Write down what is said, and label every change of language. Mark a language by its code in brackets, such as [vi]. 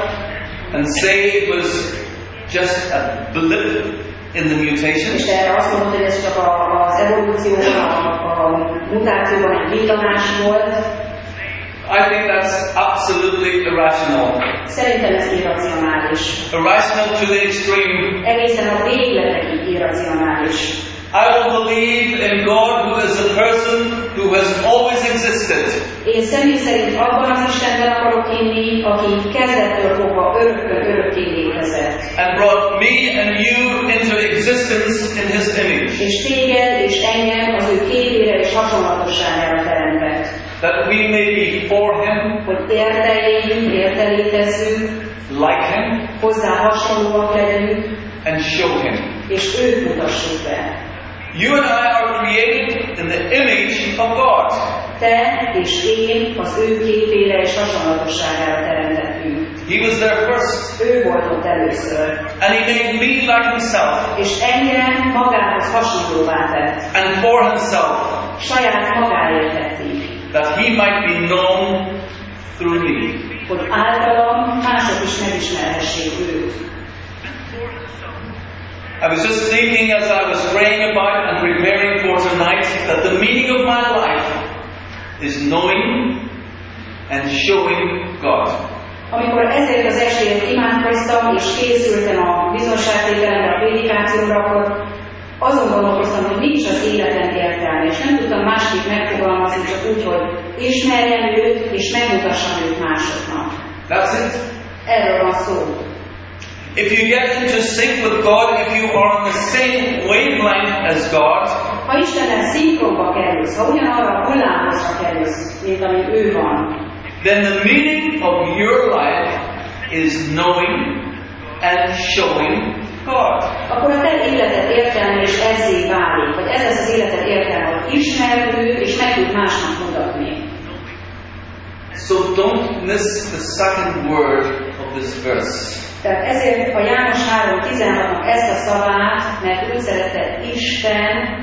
[en] And say it was just a blip in the mutation. [hu] És erre azt mondta, hogy ez csak az evolúcióban, a mutációban egy villanás volt. [en] I think that's absolutely irrational. [hu] Szerintem ez irracionális. [en] Irrational to the extreme. [hu] Egészen a végletekig irracionális. [en] I will believe in God who is a person who has always existed. [hu] Én személy szerint abban az Istenben akarok hinni, aki kezdettől fogva örökké létezett. [en] And brought me and you into existence in His image. [hu] És téged és engem az ő képére és hasonlatosságára teremtett. [en] That we may be for Him. [hu] Hogy érte létezzünk. [en] Like Him. [hu] Hozzá hasonlóak legyünk. [en] And show Him. [hu] És őt mutassuk be. [en] You and I are created in the image of God. [hu] Te és én az ő képére és hasonlatosságára teremtettünk. [en] He was there first. [hu] Ő volt ott először. [en] And he made me like himself. [hu] És engem magához hasonlóvá tett. [en] And for himself. [hu] Saját magáért tett így. [en] That he might be known through me. [hu] Hogy általam mások is megismerhessék őt. [en] I was just thinking as I was praying about and preparing for tonight that the meaning of my life is knowing and showing God. [hu] Amikor ezért az esélyt imádkoztam és készültem a bizonságtételemre, a prédikációra, akkor azon gondolkoztam, hogy nincs az életem értelme, és nem tudtam másképp megfogalmazni, csak úgy, hogy ismerjem őt és megmutassam őt másoknak. [en] That's it. [hu] Erről van szó. [en] If you get into sync with God, if you are on the same wavelength as God, [hu] ha Istennel szinkronba kerülsz, ha ugyanarra a hullámhozra kerülsz, mint ami ő van, [en] then the meaning of your life is knowing and showing God. [hu] Akkor a te életed értelme is ezzé válik, hogy ez az életed értelme, hogy ismerd ő és meg tud másnak mutatni. [en] So don't miss the second word of this verse. [hu] Tehát ezért a János 3.16-nak ezt a szavát, mert úgy szerette Isten,